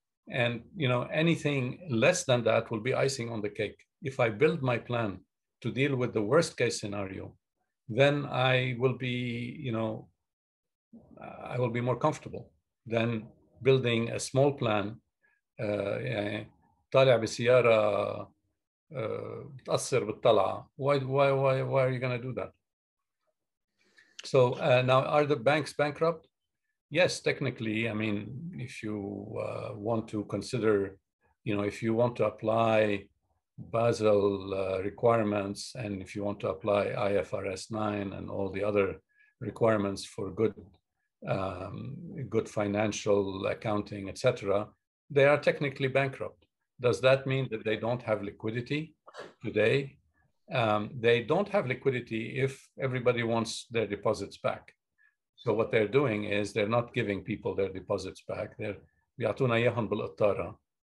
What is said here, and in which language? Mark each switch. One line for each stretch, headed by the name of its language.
English: And you know, anything less than that will be icing on the cake. If I build my plan to deal with the worst case scenario, then I will be, you know, I will be more comfortable than building a small plan.
Arabic: طالع بسيارة بتأثر بالطلعة.
English: Why are you going to do that? So now, are the banks bankrupt? Yes, technically. I mean, if you want to consider, you know, if you want to apply Basel requirements, and if you want to apply IFRS 9 and all the other requirements for good financial accounting, etc., they are technically bankrupt. Does that mean that they don't have liquidity today? They don't have liquidity if everybody wants their deposits back. So what they're doing is they're not giving people their deposits back. They're
Arabic: بيعطونا إياهم بالقطارة.